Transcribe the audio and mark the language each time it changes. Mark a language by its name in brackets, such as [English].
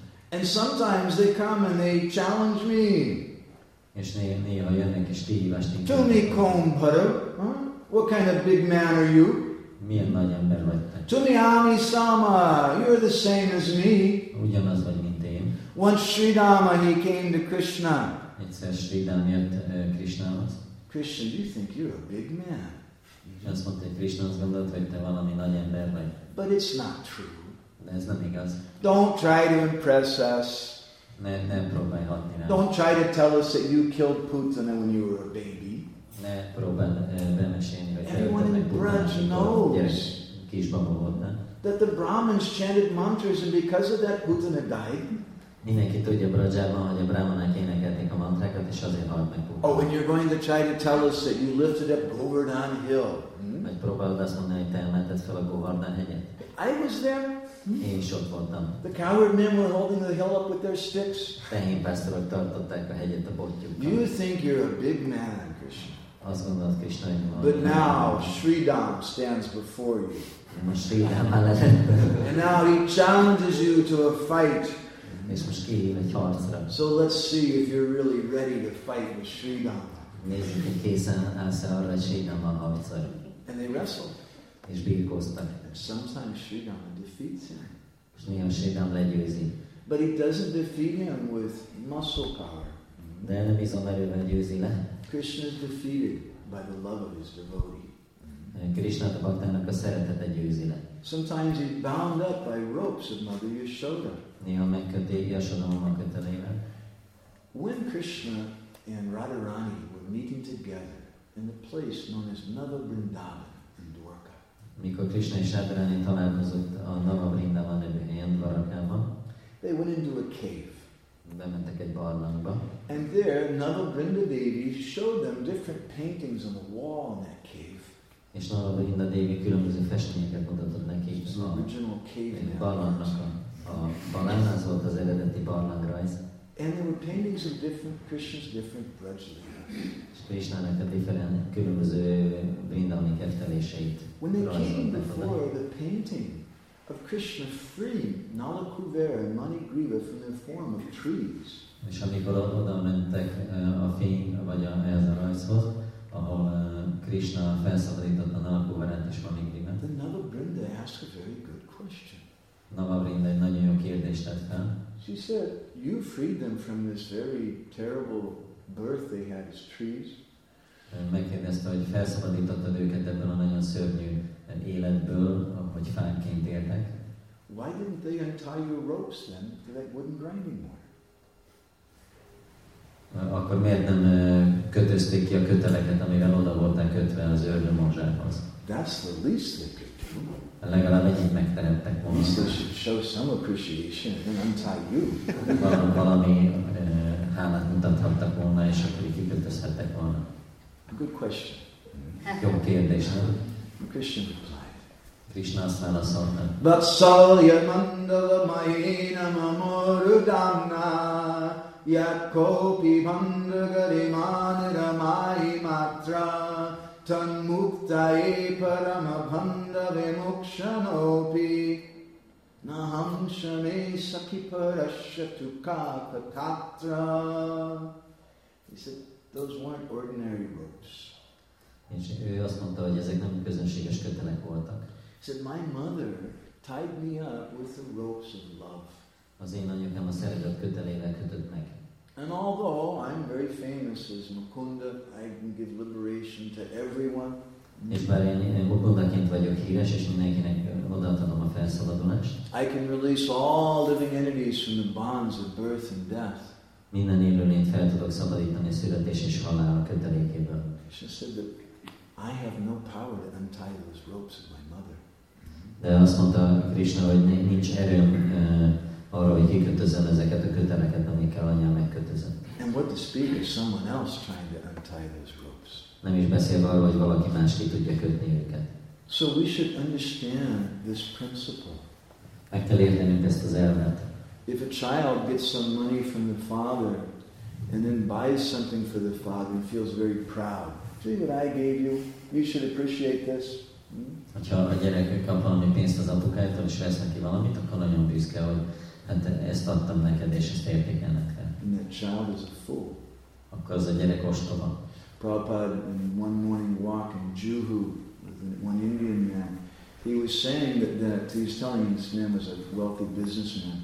[English] And sometimes they come and they challenge me. [Hungarian] És néha jönnek és kihívást intéznek. [Bangla] Tumi komparo, [English] what kind of big man are you? [Hungarian] Milyen nagy ember vagy te? [Bangla] Tumi ami sama, [English] you're the same as me. [Hungarian] Ugyanaz vagy mint én. [English] Once Sridhama, he came to Krishna. [Hungarian] Egyszer Sridham jött Krishnához. [English] Krishna, do you think you're a big man? [Hungarian] Azt mondta, hogy Krishna, azt gondolt, hogy te valami nagy ember vagy. [English] But it's not true. [Hungarian] Ez nem igaz. [English] Don't try to impress us. [Hungarian] Ne próbálj hatni rá. [English] Don't try to tell us that you killed Putana when you were a baby. [Hungarian] Ne próbálj bemesélni, hogy [English] everyone in the Braj knows that the Brahmins chanted mantras and because of that Putana died. [Hungarian] Mindenki tudja Brajában, hogy a Brahmanák énekelték a mantrákat, és azért halt meg Putana. [English] Oh, and you're going to try to tell us that you lifted up Govardhan Hill. [Hungarian] Meg próbálod azt mondani, hogy te emelted fel a Govardhan hegyet. [English] I was there. [Hungarian] Én is ott voltam. [English] The coward men were holding the hill up with their sticks. [Hungarian] Tehén pásztorok tartották a hegyet a botjukkal. [English] You think you're a big man, Krishna. [Hungarian] Azt gondolod, Krishna, hogy [English] but now Sridham stands before you. [Hungarian] Most Sridham mellett. [English] And now he challenges you to a fight. [Hungarian] És most kihív egy harcra. [English] So let's see if you're really ready to fight with Sridham. [Hungarian] Nézzük, hogy készen állsz arra, hogy Sridham a harcra. [English] And they wrestled. [Hungarian] És birkoztak. [English] Sometimes Sridham defeats him. [Hungarian] És néha Sridham legyőzi. [English] But he doesn't defeat him with muscle power. [Hungarian] De nem izomerővel győzi le. [English] Krishna is defeated by the love of his devotee. [Hungarian] Krishna a baktának a szeretete győzi le. [English] Sometimes he's bound up by ropes of Mother Yashoda. [Hungarian] Néha megköti Yashoda mama kötelével. [English] When Krishna and Radharani were meeting together in the place known as Nava Vrindavan, [Hungarian] mikor Krishna és Radharani találkozott a Nava Vrindavan nevű helyen, Dvarakában, [English] they went into a cave. [Hungarian] Bementek egy barlangba. [English] And there, Nava Vrindadevi showed them different paintings on the wall in that cave. [Hungarian] És Nava Vrindadevi különböző festményeket mutatott neki. [English] It's an original cave. [Hungarian] Egy barlangnak a barlangnak volt az eredeti barlangrajz. [English] And there were paintings of different Krishna's different brajlas. [Hungarian] Krishna-nak a [English] different, [Hungarian] különböző Vrindavani kefteléseit. [English] When they came before the painting of Krishna freeing Nala Kuvera and Mani Griva from their form of trees. [Hungarian] És amikor oda mentek a fény, vagy ehhez a rajzhoz, ahol Krishna felszabadított a Nala Kuverát és Mani Griva. [English] Then Nava Vrinda asked a very good question. [Hungarian] Nava Vrinda egy nagyon jó kérdést tett fel. [English] She said, you freed them from this very terrible birth they had as trees. [Hungarian] Megkérdezte, hogy felszabadítottad őket ebből a nagyon szörnyű életből, ahogy fánként éltek. [English] Why didn't they untie your ropes then, so that wouldn't grind anymore? [Hungarian] Akkor miért nem kötözték ki a köteleket, amivel oda voltak kötve az ördög morzsához? [English] That's the least they could do. [Hungarian] Legalább egyet megtehettek volna. [English] At least they show some appreciation and untie you. [Hungarian] Valami hálát mutathattak volna, és akkor így kikötözhettek volna. [English] Good question. [Hungarian] Jó kérdés, nem? [English] Krishna replied. [Hungarian] Krishna azt válaszolta. [Sanskrit] Vatsalya mandala mayena mamurudana yakopi mandagari manira mahi matra tanmuktaye paramabhanda vimokshanopi naham shame sakiparashatu kata katra. [English] He said, those weren't ordinary ropes. [Hungarian] És ő azt mondta, hogy ezek nem közönséges kötelek voltak. [English] He said, my mother tied me up with the ropes of love. [Hungarian] Az én anyukám a szeretet kötelével kötött meg. [English] And although I'm very famous as Mukunda, I can give liberation to everyone. [Hungarian] És bár én Mukundaként vagyok híres, és mindenkinek odaadom a felszabadulást. [English] I can release all living entities from the bonds of birth and death. [Hungarian] Minden élőlényt fel tudok szabadítani a születés és halál a kötelékéből. [English] Krishna said that I have no power to untie those ropes of my mother. [Hungarian] De azt mondta Krishna, hogy nincs erőm arra, hogy kikötözzem ezeket a köteleket, amikkel anyám megkötözött. [English] And what to speak of someone else trying to untie those ropes. [Hungarian] Nem is beszélve arról, hogy valaki más ki tudja kötni őket. [English] So we should understand this principle. [Hungarian] Meg kell értenünk ezt az elvet. [English] If a child gets some money from the father and then buys something for the father and feels very proud. See what I gave you? You should appreciate this. [Hungarian] Hogyha a gyerek kap valami pénzt az apukájától, és vesz neki valamit, akkor nagyon büszke, hogy hát ezt adtam neked, és ezt értékelnek kell. [English] And that child is a fool. [Hungarian] Akkor az a gyerek ostoba. [English] Prabhupada, in one morning walk in Juhu, one Indian man, he was saying that he was telling him, this man was a wealthy businessman.